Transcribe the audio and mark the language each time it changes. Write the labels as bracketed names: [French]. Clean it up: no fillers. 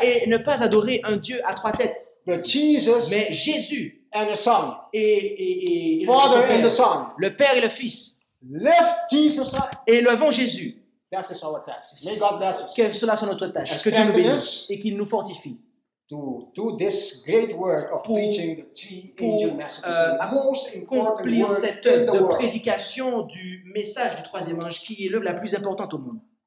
[French] Et ne pas adorer un Dieu à trois têtes. [English] But Jesus, [French] mais Jésus [English] and the Son. [French] Et [English] Father and the Son. [French] Le Père et le Fils. [English] Lift Jesus up. [French] Et levons Jésus. [English] That is our task. May God bless us. [French] Que cela soit notre tâche. Que Dieu nous bénisse et qu'il nous fortifie. [English] To do this great work of preaching the three angel message, the most important word in the world. [French] Cette œuvre de prédication du message du troisième ange, qui est l'œuvre la plus importante au monde.